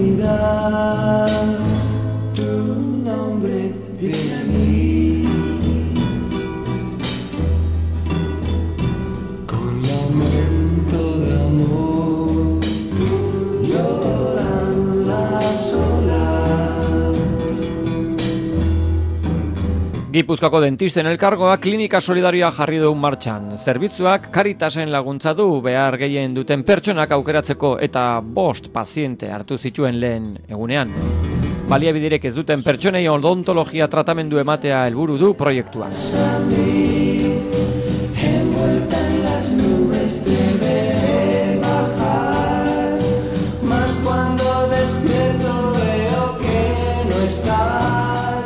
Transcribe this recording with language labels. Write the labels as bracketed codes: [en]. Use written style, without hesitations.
[es] Tu nombre viene a mí con lamento de amor, lloran las olas. [eu] Gipuzkoako dentisten elkargoa klinika solidarioa jarri du martxan. Zerbitzuak Caritasen laguntza du behar gehien duten pertsonak aukeratzeko eta 5 paziente hartu zituen lehen egunean. Baliabiderek ez duten pertsonei odontologia tratamendu ematea helburu du proiektuan. [es] Más cuando despierto veo que no estás.